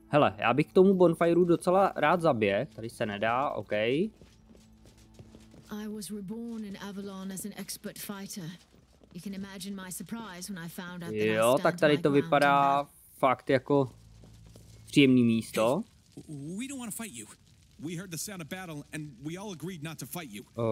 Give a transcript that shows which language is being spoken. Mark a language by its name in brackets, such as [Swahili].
[Czech] Hele, já bych k tomu bonfireu docela rád zaběh. Tady se nedá, OK. [English] I was reborn in Avalon as an expert fighter. You can imagine my surprise when I found out that I stand. [Czech] Jo, tak tady to vypadá fakt jako příjemný místo. [English] We don't want to fight you. We heard the sound of battle and we all agreed not to fight you.